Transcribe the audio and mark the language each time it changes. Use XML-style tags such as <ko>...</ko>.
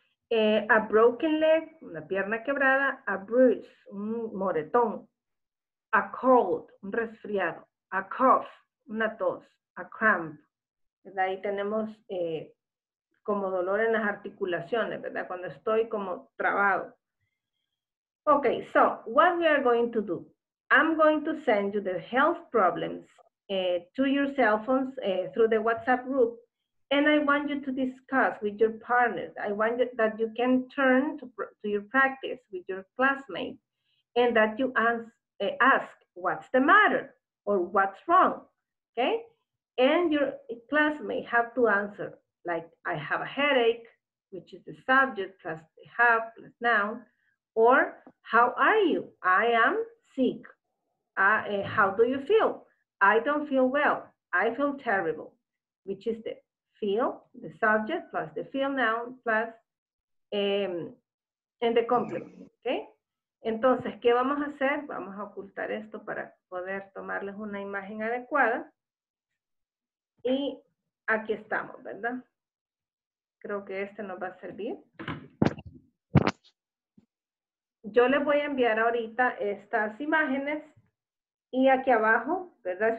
<en>A broken leg,</en> <es>una pierna quebrada.</es> <en>A bruise,</en> <es>un moretón.</es> <en>A cold,</en> <es>un resfriado.</es> <en>A cough,</en> <es>una tos.</es> <en>A cramp, ¿verdad?</en> <es>Ahí tenemos como dolor en las articulaciones, ¿verdad? Cuando estoy como trabado.</es> <en>Ok, so, what we are going to do? I'm going to send you the health problems to your cell phones through the WhatsApp group. And I want you to discuss with your partners. I want that you can turn to your practice with your classmates and that you ask what's the matter or what's wrong, okay? And your classmate have to answer, like, I have a headache, which is the subject plus the have plus noun, or how are you? I am sick. How do you feel? I don't feel well. I feel terrible, which is the feel, the subject, plus the feel noun, plus and the complement, okay?</en> <es>Entonces, ¿qué vamos a hacer? Vamos a ocultar esto para poder tomarles una imagen adecuada. Y aquí estamos, ¿verdad? Creo que este nos va a servir. Yo les voy a enviar ahorita estas imágenes. Y aquí abajo, ¿verdad?</es>